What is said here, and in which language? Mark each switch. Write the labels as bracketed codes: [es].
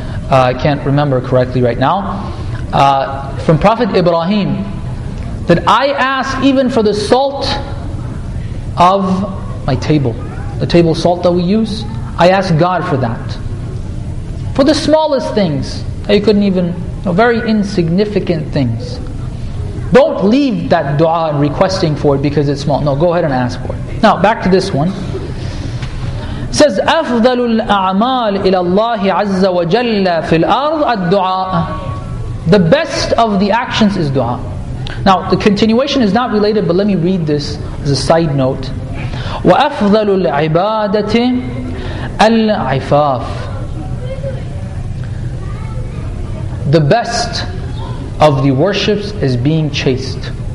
[en] I can't remember correctly right now. From Prophet Ibrahim, that I ask even for the salt of my table. The table salt that we use. I ask God for that. For the smallest things. You couldn't even, very insignificant things. Don't leave that dua and requesting for it because it's small. No, go ahead and ask for it. Now, back to this one. It says, [ar] أَفْضَلُ الْأَعْمَالِ إِلَى اللَّهِ عَزَّ وَجَلَّ فِي الْأَرْضِ الدُّعَاء. [en] The best of the actions is dua. Now, the continuation is not related, but let me read this as a side note. [ar] وَأَفْضَلُ الْعِبَادَةِ الْعِفَافِ. [en] The best of the worships is being chaste.